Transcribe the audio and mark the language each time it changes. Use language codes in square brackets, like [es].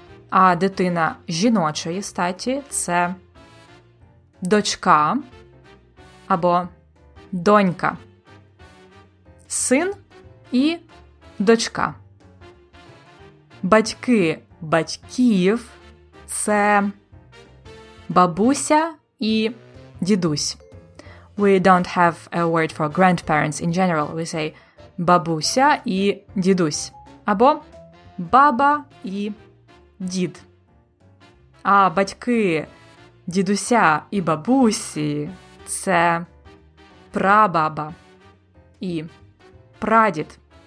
[uk] А дитина жіночої статі – це дочка або донька. Син і дочка. Батьки батьків – це бабуся і дідусь. [en] We don't have a word for grandparents in general. We say [uk] бабуся і дідусь. Або баба і дід. А батьки дідуся і бабусі – це прабаба і прадід.